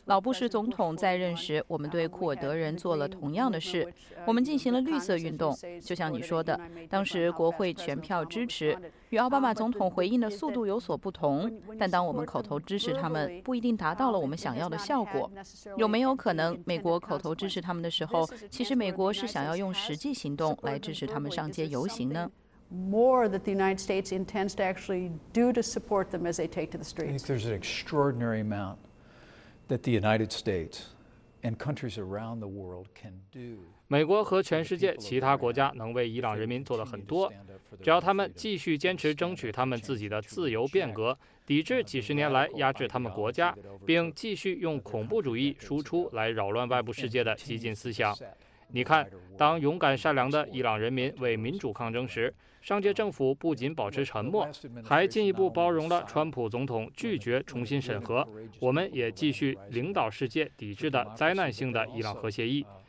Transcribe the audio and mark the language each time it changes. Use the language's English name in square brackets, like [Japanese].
[Chinese] 老布什总统在任时，我们对库尔德人做了同样的事，我们进行了绿色运动，就像你说的，当时国会全票支持，与奥巴马总统回应的速度有所不同，但当我们口头支持他们，不一定达到了我们想要的效果。有没有可能，美国口头支持他们的时候，其实美国是想要用实际行动来支持他们上街游行呢？ [English] More that the United States intends to actually do to support them as they take to the streets. I think there's an extraordinary amount that the United States and countries around the world can do. [Chinese] 美国和全世界其他国家能为伊朗人民做的很多，只要他们继续坚持争取他们自己的自由变革，抵制几十年来压制他们国家，并继续用恐怖主义输出来扰乱外部世界的激进思想。你看，当勇敢善良的伊朗人民为民主抗争时，上届政府不仅保持沉默，还进一步包容了川普总统拒绝重新审核，我们也继续领导世界抵制的灾难性的伊朗核协议。